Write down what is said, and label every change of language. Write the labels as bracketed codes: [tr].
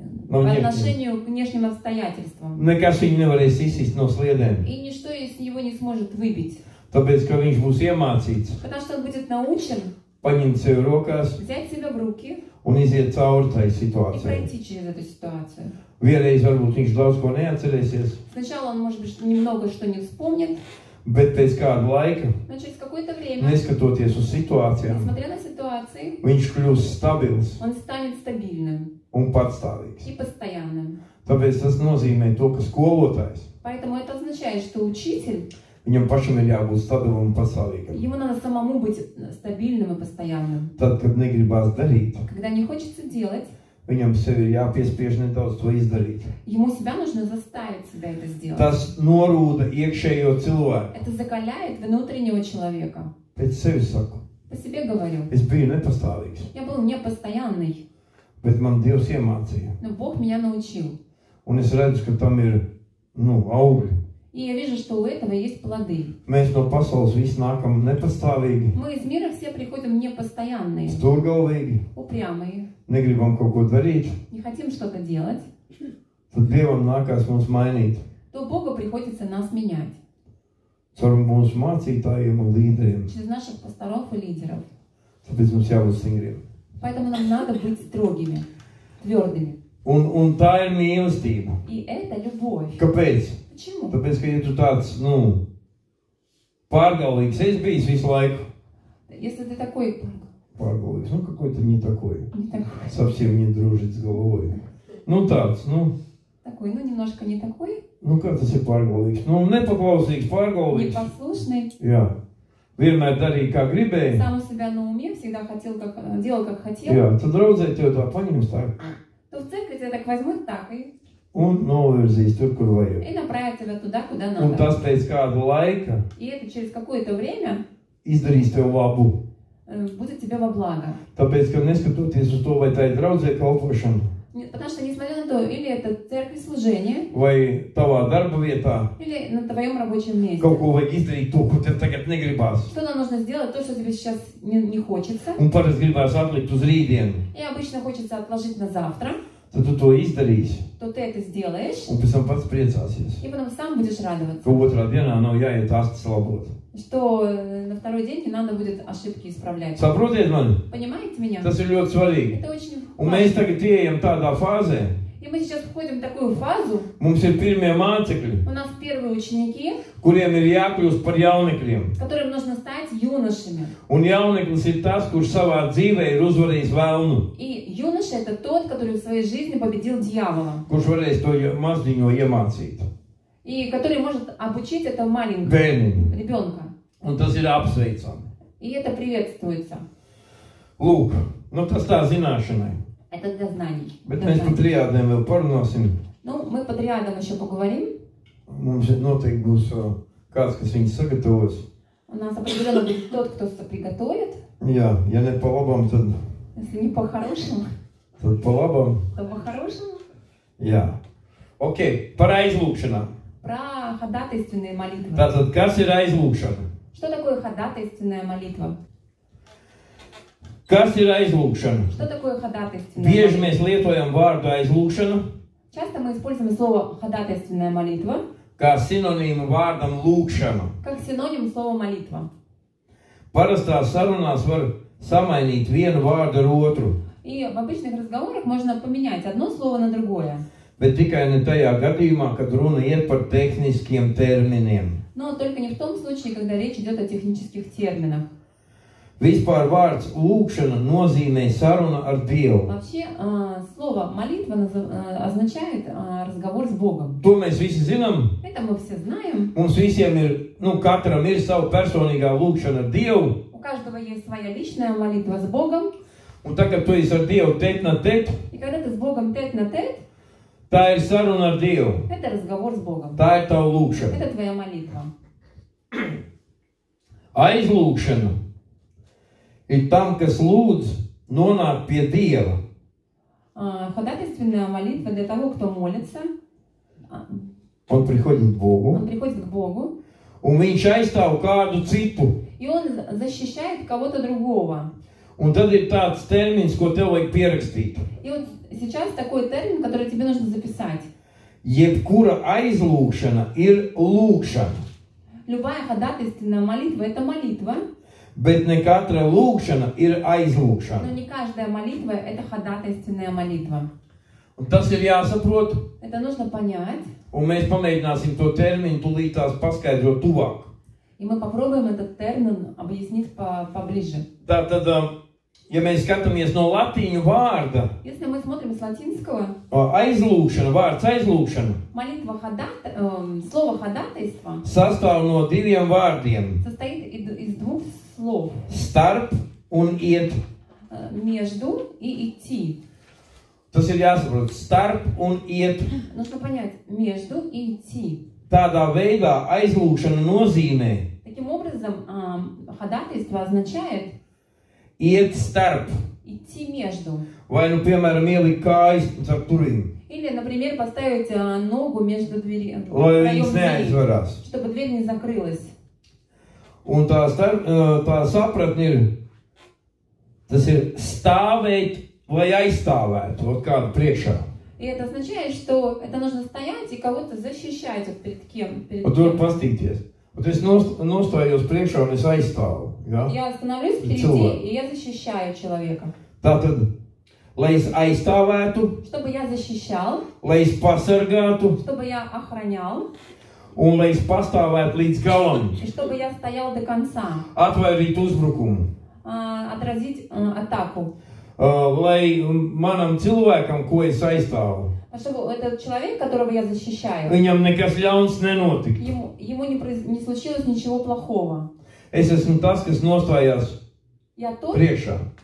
[ru] По отношению к внешним обстоятельствам. [lv] Nekas viņu nevarēs izsist no sliedēm. [ru] И ничто из него не сможет выбить. [lv] Tāpēc, ka viņš būs iemācīts. [ru] Потому что он будет научен. [lv] Paņemt sev rokās. [ru] Взять себя в руки. [lv] Un iziet cauri tai situācijai. [ru] И пройти через эту ситуацию. [lv] Vienreiz varbūt viņš daudz ko neatcerēsies. [ru] Сначала он может быть немного что не вспомнит. [lv] Bet pēc kāda laika. [ru] Но через какое-то время. [lv] Neskatoties uz situācijām. [ru] Несмотря на ситуацию. [lv] Viņš kļūs stabils. [ru] Он станет стабильным. [lv] Un patstāvīgs. [ru] И постоянным. [lv] Tāpēc tas nozīmē to, ka skolotājs. [ru] Поэтому это означает, что учитель. [lv] Viņam pašam ir jābūt stabilam un pastāvīgam. [ru] Ему надо самому быть стабильным и постоянным. [lv] Tad, kad negribas darīt. [ru] Когда не хочется делать. [lv] Viņam sevi ir jāpiespiež nedaudz to izdarīt. [ru] Ему себя нужно заставить себя это сделать. [lv] Tas norūda iekšējo cilvēku. [ru] Это закаляет внутреннего человека. [lv] Pēc sevis saku. [ru] По себе говорю. [lv] Es biju nepastāvīgs. [ru] Я был непостоянный. [lv] Bet man Dievs iemācīja. [ru] Но Бог меня научил. [lv] Un es redzu, ka tam ir, nu, augļi. [ru] И я вижу, что у этого есть плоды. [lv] Mēs no pasaules visi nākam nepastāvīgi. [ru] Мы из мира все приходим непостоянные. [lv] Stūrgalvīgi. [ru] Упрямые. [lv] Negribam kaut ko darīt. [ru] Не хотим что-то делать. [lv] Tad Dievam nākās mums mainīt. [ru] То Богу приходится нас менять. [lv] Caur mūsu mācītājiem un līderiem. [ru] Через наших пасторов и лидеров. [lv] Tāpēc mums jābūt stingriem. [ru] Поэтому нам надо быть строгими, твердыми. [lv] Un tā ir mīlestība. [ru] И это любовь. [lv] Kāpēc? [ru] Почему? [lv] Tāpēc, ka ja tu tāds, nu, pārgalīgs esi bijis visu laiku. [ru] Если ты такой pārgalīgs, ну, какой-то не такой. Не такой. Совсем не дружит с головой. Ну, тāds, ну. Такой, ну, немножко не такой. Ну, как ты себе pārgalīgs? Ну, непоклausīgs pārgalīgs. Непослушный. [lv] Jā. Vienmēr darīja, kā gribēja. [ru] Сам себя на уме, всегда хотел, как, делал, как хотел. [lv] Jā, tad draudzē tev tā paņems tā. [ru] То в церкви тебя так возьмут, так и. [lv] Un novirzīs tur, kur vajag. [ru] И направят тебя туда, куда надо. [lv] Un tas pēc kādu laika. [ru] И это через какое-то время. [lv] Izdarīs tev labu. [ru] Будет тебе во благо. [lv] Tāpēc, ka neskatoties uz to, vai tā ir draudzē kalpošana. [ru] Потому что, несмотря на то, или это церковь служение. [lv] Vai tavā darba vietā. [ru] Или на твоем рабочем месте. [lv] Kaut ko vajag izdarīt to, ko tev tagad negribas. [ru] Что нам нужно сделать, то, что тебе сейчас не хочется. [lv] Un parasti gribas atlikt uz rītdienu. [ru] И обычно хочется отложить на завтра. [lv] Tad tu to izdarīsi. [ru] То ты это сделаешь. [lv] Un pēc tam pats priecāsies. [ru] И потом сам будешь радоваться. [lv] Ka otrā dienā nav jāiet ārsts labot. [ru] Что на второй день не надо будет ошибки исправлять. [lv] Saprotiet mani? [ru] Понимаете меня? [lv] Tas ir ļoti svarīgi. [ru] Это очень важно. [lv] Un mēs tagad ieejam tādā fāzē. [ru] И мы сейчас входим в такую фазу. [lv] Mums ir pirmie mācekļi. [ru] У нас первые ученики. [lv] Kuriem ir jākļūst par jaunekļiem. [ru] Которым нужно стать юношами. [lv] Un jauneklis ir tas, kurš savā dzīvē ir uzvarējis velnu. [ru] И юноша это тот, который в своей жизни победил дьявола. [lv] Kurš varēs to mazdiņo iemācīt. [ru] И который может обучить этого маленького Бенин. Ребенка. [lv] Un tas ir apsveicami. [ru] И это приветствуется. [lv] Lūk, nu tas tā zināšanai. [ru] Это для знаний. [lv] Bet mēs par triādēm vēl parunāsim. [ru] Ну, мы по триадам еще поговорим. [lv] Mums noteikti būs kāds, kas viņus sagatavos. [ru] У нас определенно будет тот, кто все приготовит. [lv] Jā, ja ne pa labam, tad... [ru] Если не по-хорошему. [lv] Tad pa labam. [ru] То по-хорошему. [lv] Jā. Ok, par aizlūkšanām. [ru] Про ходатайственные молитвы. [lv] Tātad, kas ir aizlūkšana? [ru] Что такое ходатайственная молитва? [lv] Kas ir aizlūkšana? [ru] Что такое ходатайственная? [lv] Bieži mēs lietojam vārdu aizlūkšana. [ru] Часто мы используем слово ходатайственная молитва. [lv] Kā sinonīmu vārdam lūkšana. [ru] Как синоним слово молитва. [lv] Parastās sarunās var samainīt vienu vārdu ar otru. [ru] И в обычных разговорах можно поменять одно слово на другое. [lv] Bet tikai ne tajā gadījumā, kad runa iet par tehniskiem terminiem. [ru] Но только не в том случае, когда речь идет о технических терминах. [lv] Vispār vārds lūkšana nozīmē saruna ar Dievu. [ru] Вообще, слово молитва означает разговор с Богом. [lv] To mēs visi zinām. [ru] Это мы все знаем. [lv] Mums visiem ir, nu, katram ir sava personīgā lūkšana ar Dievu. [ru] У каждого есть своя личная молитва с Богом. [lv] Un tā, kad tu esi ar Dievu tēt na tēt. [ru] И когда ты с Богом тет на тет. [lv] Tā ir saruna ar Dievu. [ru] Это разговор с Богом. [lv] Tā ir tava lūkšana. [ru] Это твоя молитва. [lv] Aizlūkšana. Ir tam, kas lūdz, nonāk pie Dieva. [ru] Ходатайственная молитва для того, кто молится. Он приходит к Богу. Он приходит к Богу. [lv] Un viņš aizstāv kādu citu. [ru] И он защищает кого-то другого. [lv] Un tad ir tāds termins, ko tev vajag pierakstīt. [ru] И вот сейчас такой термин, который тебе нужно записать. [lv] Jebkura aizlūkšana ir lūkšana. [ru] Любая ходатайственная молитва – это молитва. [lv] Bet ne katra lūkšana ir aizlūkšana. [ru] Но не каждая молитва – это ходатайственная молитва. [lv] Un tas ir jāsaprot. [ru] Это нужно понять. [lv] Un mēs pamēģināsim to terminu tūlītās paskaidrot tuvāk. [ru] И мы попробуем этот термин объяснить поближе. [lv] Tātad, ja mēs skatāmies no latīņu vārda. [ru] Если мы смотрим с латинского. [lv] Aizlūkšana, vārds aizlūkšana. [ru] Молитва ходат, слово ходатайство. [lv] Sastāv no diviem vārdiem. [ru] Состоит из двух слов. [lv] Starp un iet. [ru] Между и идти. [lv] Tas ir jāsaprot, starp un iet. [ru] Нужно понять, между и идти. [lv] Tādā veidā aizlūkšana nozīmē. [ru] Таким образом, ходатайство означает. [lv] Iet starp. [ru] Идти между. [lv] Vai, nu, piemēram, ielikt kājas starp durvīm. [ru] Или, например, поставить ногу между двери. [lv] Lai viņas neaizvarās. [ru] Чтобы дверь не закрылась. [lv] Un tā, starp, tā sapratne ir, tas ir stāvēt, lai aizstāvētu vot kādu priekšā. [ru] И это означает, что это нужно стоять и кого-то защищать вот перед кем. Вот тут постыдьтесь. Вот я ностоял спрежа, он и заистал. Я становлюсь впереди, и я защищаю человека. [lv] Tātad, lai es aizstāvētu, [ru] чтобы я защищал. [lv] Lai es pasargātu, [ru] чтобы я охранял. [lv] Un lai es pastāvētu līdz galam. [ru] Чтобы я стоял до конца. [lv] Atvairīt uzbrukumu. [ru] Отразить атаку. [lv] Lai manam cilvēkam, ko es aizstāvu. [ru] Чтобы этот человек, которого я защищаю. [lv] Viņam nekas ļauns nenotika. [ru] Ему не случилось ничего плохого. [lv] Es esmu tas, kas nostājās priekšā.